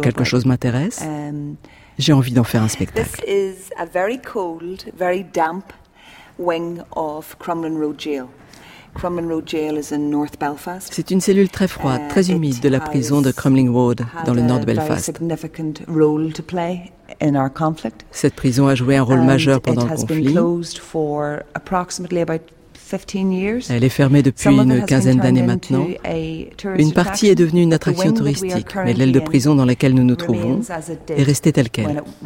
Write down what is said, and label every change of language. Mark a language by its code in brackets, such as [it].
[fr] quelque chose m'intéresse, j'ai envie d'en faire un spectacle. [en] This is a very cold, very damp wing of Crumlin Road Jail. Crumlin Road Jail is in North Belfast. [fr] C'est une cellule très froide, très humide de la prison de Crumlin Road dans le nord de Belfast. [en] Had a very significant role to play in our conflict. [fr] Cette prison a joué un rôle majeur pendant le conflit. [en] It has been closed for approximately about 15 years. [fr] Elle est fermée depuis une quinzaine d'années maintenant. Une partie est devenue une attraction touristique, mais l'aile de prison dans laquelle nous nous trouvons est restée telle quelle.